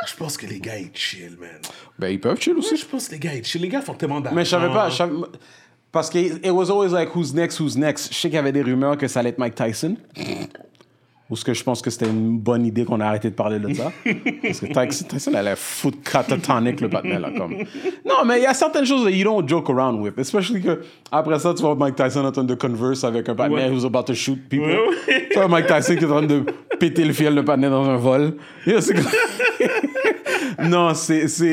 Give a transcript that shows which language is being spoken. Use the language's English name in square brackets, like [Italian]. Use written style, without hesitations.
[French] Moi, je pense que les gars, ils chill, man. Ben, ils peuvent chill aussi. Moi, je pense que les gars, ils chill. Les gars font tellement d'argent. Mais je savais pas. Parce que [English] it was always like, who's next, who's next? [French] Je sais qu'il y avait des rumeurs que ça allait être Mike Tyson. Ou ce que je pense que c'était une bonne idée qu'on a arrêté de parler de ça. Parce que Tyson allait foutre catatonic le patinet, là, comme. Non, mais il y a certaines choses [English] that you don't joke around with. [French] Especially que, après ça, tu vois Mike Tyson en train de converse avec un patinet [English] who's about to shoot people. [French] Ouais, ouais. Tu vois Mike Tyson qui est en train de péter le fiel de patinet dans un vol. Yeah, c'est comme... Non, c'est...